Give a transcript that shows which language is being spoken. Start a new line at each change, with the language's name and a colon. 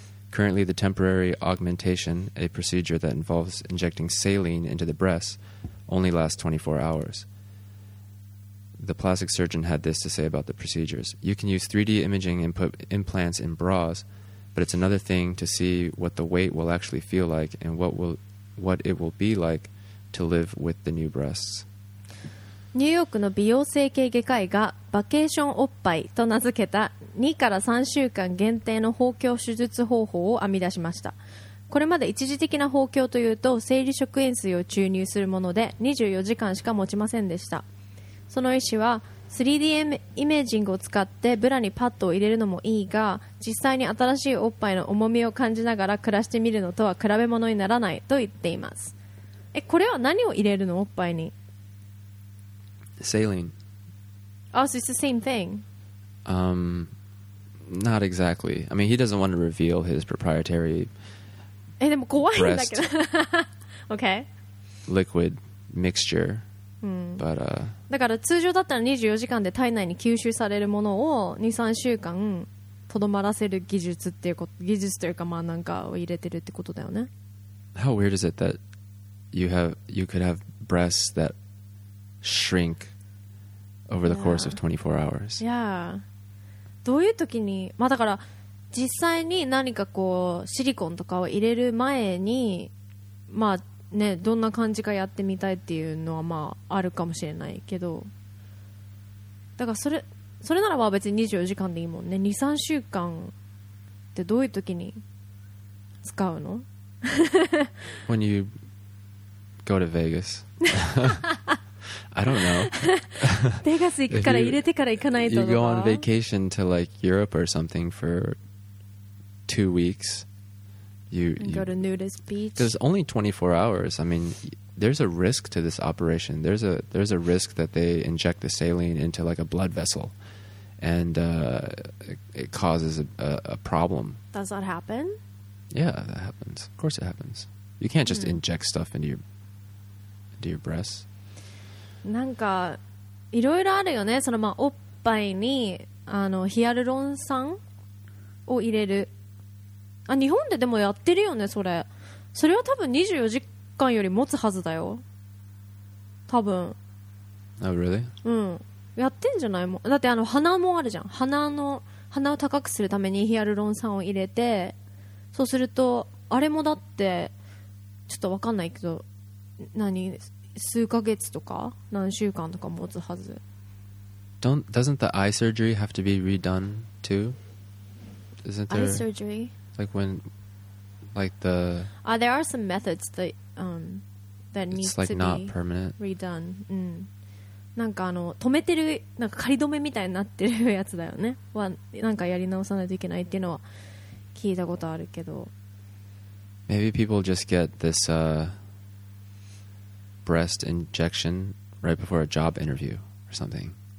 English: Currently, the temporary augmentation, a procedure that involves injecting saline into the breasts, only lasts 24 hours. The plastic surgeon had this to say about the procedures. You can use 3D imaging and put implants in bras, but it's another thing to see what the weight will actually feel like and what it will be like to live with the new breasts.
Japanese: ニューヨークの美容整形外科医がバケーションおっぱいと名付けた2から3週間限定の豊胸手術方法を編み出しました。これまで一時的な豊胸というと生理食塩水を注入するもので24時間しか持ちませんでした。その医師は 3D イメージングを使ってブラにパッドを入れるのもいいが、実際に新しいおっぱいの重みを感じながら暮らしてみるのとは比べ物にならないと言っています。え、これは何を入れるの、おっぱいに。
English: Saline. Oh, so it's the same thing. Not exactly. I mean, he doesn't want to reveal his proprietary
Japanese: え、でも怖いんだけど。Okay.
English: Liquid mixture. But,
Japanese: だから通常だったら24時間で体内に吸収されるものを 2,3 週間とどまらせる技術っていうこと、技術というかまあなんかを入れてるってことだよね。
English: How weird is it that you could have breasts that shrink over the course of 24 hours? Yeah.
Japanese: どういう時に、まあだから実際に何かこうシリコンとかを入れる前にまあね、どんな感じかやってみたいっていうのはまああるかもしれないけど、だからそれならば別に24時間でいいもんね。 2,3 週間ってどういう時に使うの。
English: When you go to Vegas. I don't know.
Japanese: ベガス行くから、入れてから行かないととか、
English: you go on vacation to like Europe or something for 2 weeks, You go to nudist beach. There's only 24 hours. I mean, there's a risk to this operation. There's a risk that they inject the saline into like a blood vessel, and it causes a problem. Does that happen? Yeah, that happens. Of course, it happens. You can't just inject stuff into your breasts.
Japanese: なんかいろいろあるよね。そのまあおっぱいにあのヒアルロン酸を入れる。あ、日本ででもやってるよね、それ。それは多分24時間より持つはずだよ。多分。
English: Oh, really?
Japanese: うん。やってんじゃないもん。だってあの鼻もあるじゃん。鼻を高くするためにヒアルロン酸を入れて、そうすると、あれもだって、ちょっとわかんないけど、何、数ヶ月とか、何週間とか持つはず。
English: Doesn't the eye surgery have to be redone too? Isn't there... Eye surgery? Like when, like the... There are some methods that need like to not be permanent. Redone. Mm.
Japanese: なんかあの止めてるなんか仮止めみたいになってるやつだよねはなんかやり直さないといけないっていうのは聞いたことあるけど
English: Maybe people just get this、breast injection right before a job interview or something